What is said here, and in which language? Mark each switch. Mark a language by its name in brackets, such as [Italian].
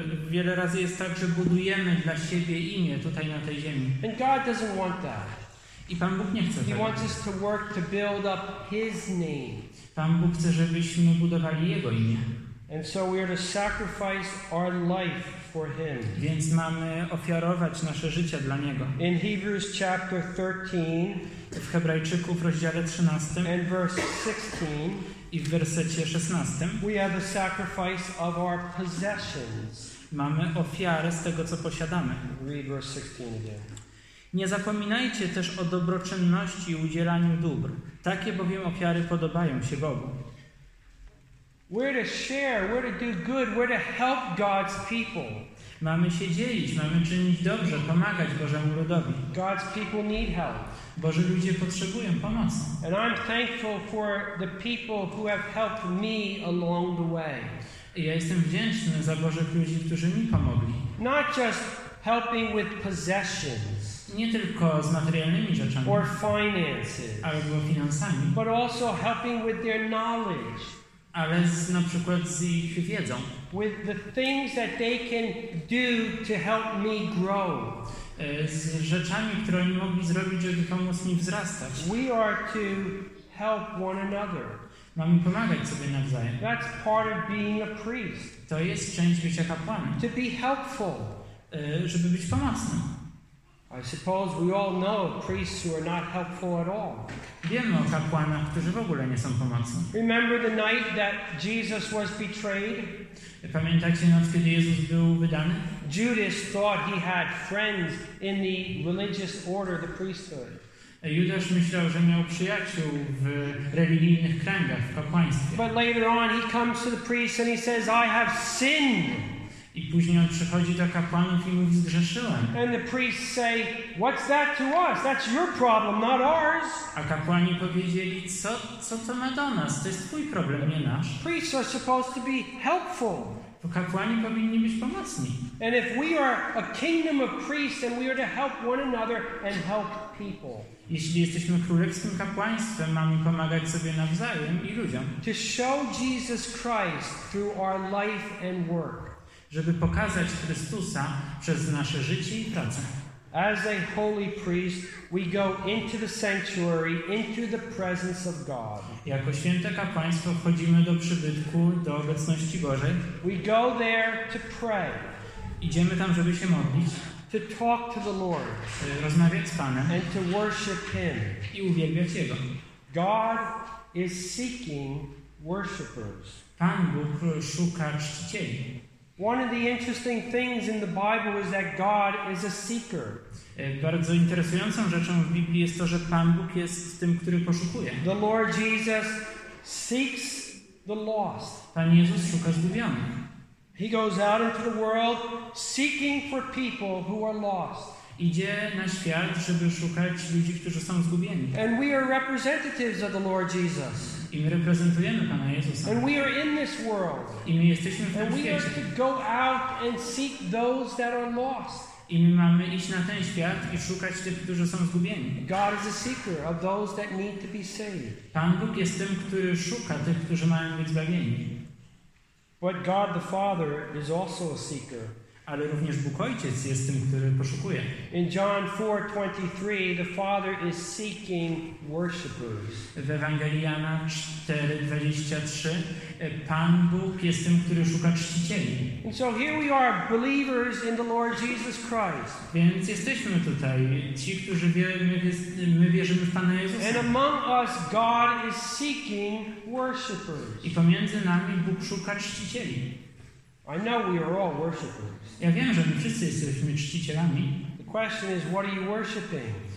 [Polish] Wiele razy jest tak, że budujemy dla siebie imię tutaj na tej ziemi. [English] And God doesn't want that. [Polish] I Pan Bóg nie chce tego. [English] He wants us to work to build up His name. [Polish] Pan Bóg chce, żebyśmy budowali Jego imię. [English] And so we are to sacrifice our life for Him. [Polish] Więc mamy ofiarować nasze życie dla Niego. [English] In Hebrews chapter 13. [Polish] W Hebrajczyków, rozdziale 13 [English] and verse 16, [Polish] i w wersecie 16 [English] we have the sacrifice of our possessions. [Polish] Mamy ofiarę z tego, co posiadamy. [English] Read verse 16 again. [Polish] Nie zapominajcie też o dobroczynności i udzielaniu dóbr. Takie bowiem ofiary podobają się Bogu. [English] We're to share, we're to do good, we're to help God's people. [Polish] Mamy się dzielić, mamy czynić dobrze, pomagać Bożemu ludowi. [English] God's people need help. [Polish] Boże ludzie potrzebują pomocy. [English] And I'm thankful for the people who have helped me along the way. [Polish] I ja jestem wdzięczny za Bożych ludzi, którzy mi pomogli. [English] Not just helping with possessions. [Polish] Nie tylko z materialnymi rzeczami. [English] Or finances. [Polish] Albo finansami. [English] But also helping with their knowledge. [Polish] Ale na przykład z ich wiedzą. [English] With the things that they can do to help me grow. [Polish] Z rzeczami, które oni mogli zrobić, żeby pomóc mi wzrastać. [English] We are to help one another. [Polish] Mamy pomagać sobie nawzajem. [English] That's part of being a priest. [Polish] To jest część bycia kapłanem. [English] To be helpful. [Polish] Żeby być pomocnym. [English] I suppose we all know priests who are not helpful at all. [Polish] Wiemy o kapłanach, którzy w ogóle nie są pomocni. [English] Remember the night that Jesus was betrayed? [Polish] Pamiętacie noc, kiedy Jezus był wydany? [English] Judas thought he had friends in the religious order, the priesthood. [Polish] Judasz myślał, że miał przyjaciół w religijnych kręgach, w kapłaństwie. [English] But later on he comes to the priest and he says, I have sinned. [Polish] I później on przychodzi do kapłanów i mówi, zgrzeszyłem. [English] And the priests say, what's that to us? That's your problem, not ours. [Polish] A kapłani powiedzieli, co to ma do nas? To jest twój problem, nie nasz. [English] Priests are supposed to be helpful. [Polish] Bo kapłani powinni być pomocni. [English] And if we are a kingdom of priests, then we are to help one another and help people. [Polish] Jeśli jesteśmy królewskim kapłaństwem, mamy pomagać sobie nawzajem i ludziom. [English] To show Jesus Christ through our life and work. [Polish] Żeby pokazać Chrystusa przez nasze życie i pracę. [English] As a holy priest, we go into the sanctuary, into the presence of God. [Polish] Jako święte kapłaństwo wchodzimy do przybytku, do obecności Bożej. [English] We go there to pray. [Polish] Idziemy tam, żeby się modlić. [English] To talk to the Lord. [Polish] Rozmawiać z Panem. [English] And to worship Him. [Polish] I uwielbiać Jego. [English] God is seeking worshipers. [Polish] Pan Bóg szuka czcicieli. [English] One of the interesting things in the Bible is that God is a seeker. [Polish] Bardzo interesującą rzeczą w Biblii jest to, że Pan Bóg jest tym, który poszukuje. [English] The Lord Jesus seeks the lost. [Polish] Pan Jezus szuka zgubionych. [English] He goes out into the world seeking for people who are lost. [Polish] Idzie na świat, żeby szukać ludzi, którzy są zgubieni. [English] And we are representatives of the Lord Jesus. [Polish] I my reprezentujemy Pana Jezusa. [English] And we are in this world. [Polish] I my jesteśmy w tym [English] and [Polish] świecie. [English] We are to go out and seek those that are lost. [Polish] I my mamy iść na ten świat i szukać tych, którzy są zgubieni. [English] God is a seeker of those that need to be saved. [Polish] Pan Bóg jest tym, który szuka tych, którzy mają być zbawieni. [English] But God the Father is also a seeker. [Polish] Ale również Bóg Ojciec jest tym, który poszukuje. [English] In John 4:23 the Father is seeking worshipers. [Polish] W Ewangelii Jana 4:23 Pan Bóg jest tym, który szuka czcicieli. [English] And so here we are, believers in the Lord Jesus Christ. [Polish] Więc jesteśmy tutaj, ci, którzy my wierzymy w Pana Jezusa. [English] And among us, God is seeking worshipers. [Polish] I pomiędzy nami Bóg szuka czcicieli. [English] I know we are all worshipers. [Polish] Ja wiem, że my wszyscy jesteśmy czcicielami. [English] The question is, what are you worshiping?